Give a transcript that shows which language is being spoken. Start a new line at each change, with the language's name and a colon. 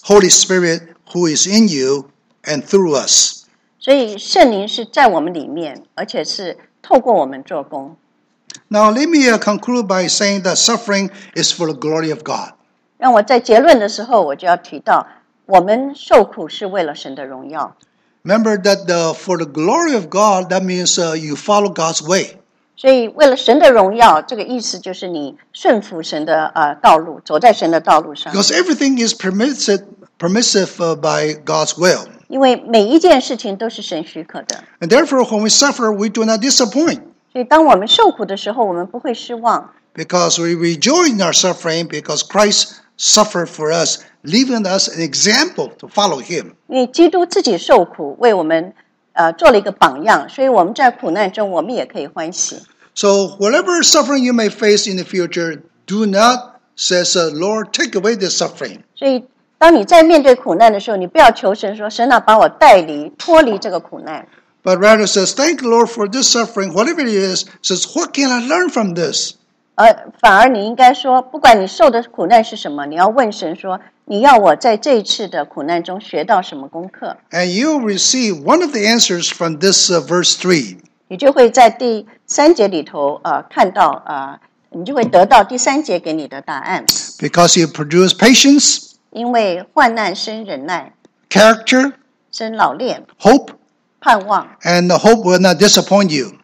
English: Spirit, who is in you and through us.
Chinese: 所以圣灵是在我们里面，而且是透过我们做工。Now
English: let me conclude by saying that suffering is for the glory of God.
Chinese: 让我在结论的时候，我就要提到，我们受苦是为了神的荣耀。
English: Remember that for the glory of God, that means you follow God's way.
Chinese: 所以为了神的荣耀, 这个意思就是你顺服神的, 道路, 走在神的道路上。
English: Because everything is permissive by God's will.
Chinese: 因为每一件事情都是神许可的。
English: And therefore, when we suffer, we do not disappoint.
Chinese: 所以当我们受苦的时候, 我们不会失望。
English: Because we rejoice in our suffering because Christ suffered for us, leaving us an example to follow him.
Chinese: 因为基督自己受苦, 为我们, 做了一个榜样, 所以我们在苦难中, 我们也可以欢喜。So
English: whatever suffering you may face in the future, do not, says the Lord, take away this suffering.
Chinese: 所以当你在面对苦难的时候, 你不要求神说, 神啊, 把我带离, 脱离这个苦难。
English: But rather says, thank the Lord for this suffering, whatever it is, says, what can I learn from this?
Chinese: 反而你应该说, 不管你受的苦难是什么, 你要问神说, 你要我在这一次的苦难中学到什么功课?
English: And you will receive one of the answers from this verse 3.
Chinese: 你就会在第三节里头, 看到, 你就会得到第三节给你的答案。
English: Because you produce patience.
Chinese: 因为患难生忍耐。
English: Character.
Chinese: 生老练。
English: Hope.
Chinese: 盼望。
English: And the hope will not disappoint you.